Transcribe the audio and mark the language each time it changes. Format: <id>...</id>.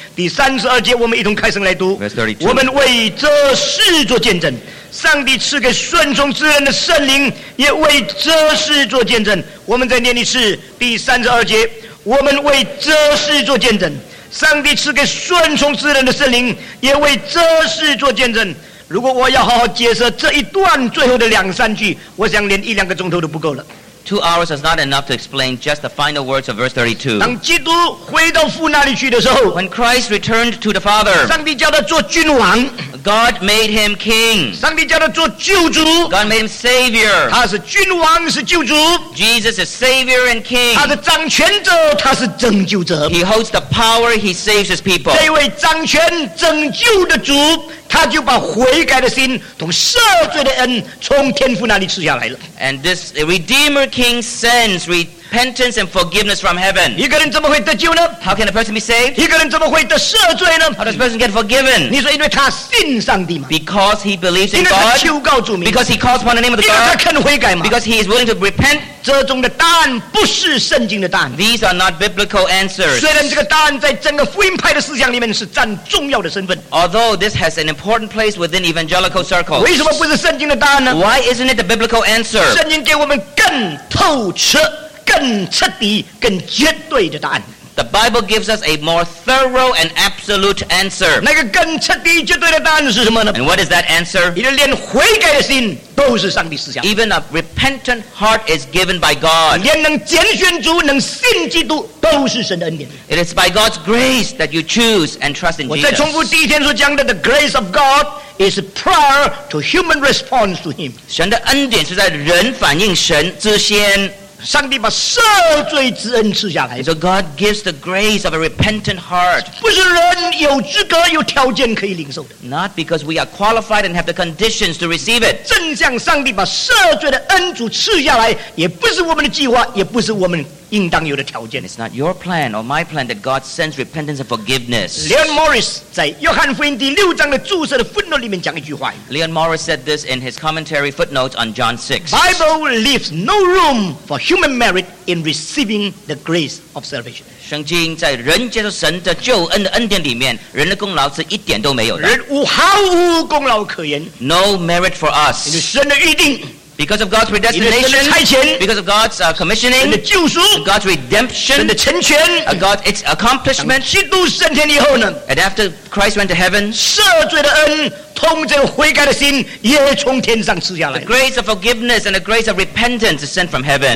<zh>第三十二节我们一同开声来读，我们为这事做见证，上帝赐给顺从之人的圣灵也为这事做见证。我们再念一次，第三十二节，我们为这事做见证，上帝赐给顺从之人的圣灵也为这事做见证。如果我要好好解释这一段最后的两三句，我想连一两个钟头都不够了。</zh> <en>2 hours is not enough to explain just the final words of verse 32.</en> <zh>当基督回到父那里去的时候，</zh> <en>When Christ returned to the Father,</en> <zh>上帝叫他做君王，</zh> <en>God made him king.</en> <zh>上帝叫他做救主，</zh> <en>God made him savior.</en> <zh>他是君王，是救主。</zh> <en>Jesus is savior and king.</en> <zh>他是掌权者，他是拯救者。</zh> <en>He holds the power, he saves his people.</en> <zh>这位掌权拯救的主，他就把悔改的心同赦罪的恩从天父那里赐下来了。</zh> <en>And this Redeemer King sends repentance and forgiveness from heaven.</en> <zh>一个人怎么会得救呢？</zh> <en>How can a person be saved?</en> <zh>一个人怎么会得赦罪呢？</zh> <en>How does a person get forgiven?</en> <zh>你说因为他信上帝吗？</zh> <en>Because he believes in God.</en> <zh>因为他求告主名。</zh> <en>Because he calls upon the name of the God.</en> <zh>因为他肯悔改吗？</zh> <en>Because he is willing to repent.</en> <zh>这种的答案不是圣经的答案。</zh> <en>These are not biblical answers.</en> <zh>虽然这个答案在整个福音派的思想里面是占重要的身份。</zh> <en>Although this has an important place within evangelical circles.</en> <zh>为什么不是圣经的答案呢？</zh> <en>Why isn't it the biblical answer?</en> <zh>圣经给我们更透彻、更彻底、更绝对的答案。</zh> <en>The Bible gives us a more thorough and absolute answer.</en> <zh>那个更彻底、绝对的答案是什么呢？</zh> <en>And what is that answer?</en> <zh>你的连悔改的心都是上帝赐下。</zh> <en>Even a repentant heart is given by God.</en> <zh>连能拣选主、能信基督都是神的恩典。</zh> <en>It is by God's grace that you choose and trust in Jesus.</en> <zh>我再重复第一天所讲的</zh> <en>the grace of God. Is prior to human response to him.</en> <zh>神的恩典是在人反应神之先。上帝把赦罪之恩赐下来。</zh> <en>So God gives the grace of a repentant heart.</en> <zh>不是人有资格、有条件可以领受的。</zh> <en>Not because we are qualified and have the conditions to receive it.</en> <zh>正像上帝把赦罪的恩主赐下来，也不是我们的计划，也不是我们。应当有的条件。</zh> <en>It's not your plan or my plan that God sends repentance and forgiveness.</en> <zh>Leon Morris 在《约翰福音》第六章的注释的 footnote 里面讲一句话。</zh> <en>Leon Morris said this in his commentary footnotes on John 6. Bible leaves no room for human merit in receiving the grace of salvation.</en> <zh>圣经在人接受神的救恩的恩典里面，人的功劳是一点都没有的。人无毫无功劳可言。</zh> <en>No merit for us.</en> <zh>神的预定。</zh> <en>Because of God's predestination, because of God's commissioning, God's redemption, its accomplishment, and after Christ went to heaven, the grace of forgiveness and the grace of repentance is sent from heaven.</en>